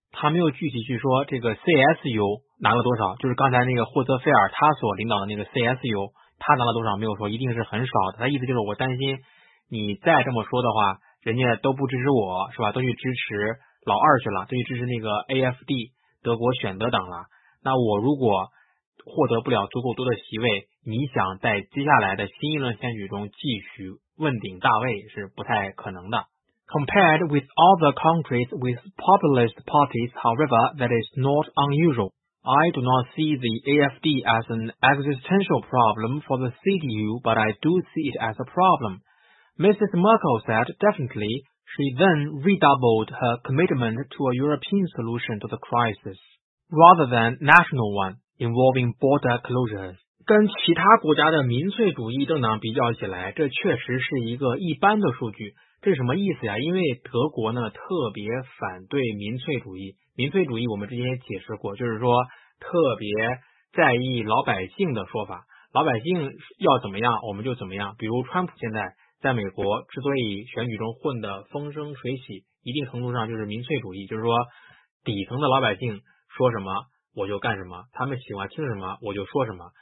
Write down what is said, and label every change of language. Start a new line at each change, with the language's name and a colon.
Chinese: 他没有具体去说这个 CSU 拿了多少，就是刚才那个霍泽菲尔他所领导的那个 CSU 他拿了多少，没有说，一定是很少的。他意思就是我担心你再这么说的话，人家都不支持我，是吧，都去支持老二去了，都去支持那个 AFD 德国选择党了，那我如果获得不了足够多的席位，你想在接下来的新一轮选举中继续问鼎大位是不太可能的。
English: Compared with other countries with populist parties, however, that is not unusual. I do not see the AfD as an existential problem for the CDU, but I do see it as a problem. Mrs. Merkel said definitely she then redoubled her commitment to a European solution to the crisis, rather than national one involving border closures.
Chinese: 跟其他国家的民粹主义政党比较起来，这确实是一个一般的数据。这是什么意思呀？因为德国呢特别反对民粹主义。民粹主义我们之前也解释过，就是说特别在意老百姓的说法，老百姓要怎么样我们就怎么样。比如川普现在在美国之所以选举中混得风生水起，一定程度上就是民粹主义，就是说底层的老百姓说什么我就干什么，他们喜欢听什么我就说什么。